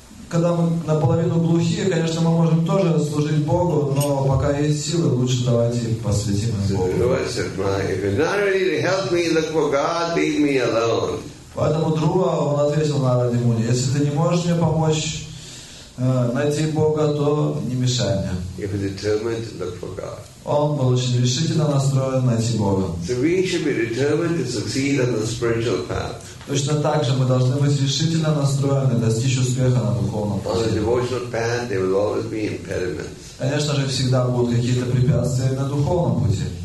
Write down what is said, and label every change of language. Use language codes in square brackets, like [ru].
[ru] Когда мы наполовину глухие, конечно, мы можем тоже служить Богу, но пока есть силы, лучше давайте посвятим их Богу. Поэтому Друва, он ответил Нараде Муни, если ты не можешь мне помочь найти Бога, то не мешай мне. [en] If you're determined to look for God. [ru] Он был очень решительно настроен найти Бога. [en] So we should be determined to succeed on the spiritual path. [ru] Точно так же мы должны быть решительно настроены достичь успеха на духовном пути. [en] On the devotional path, there will always be impediments. [ru] Конечно же, всегда будут какие-то препятствия на духовном пути.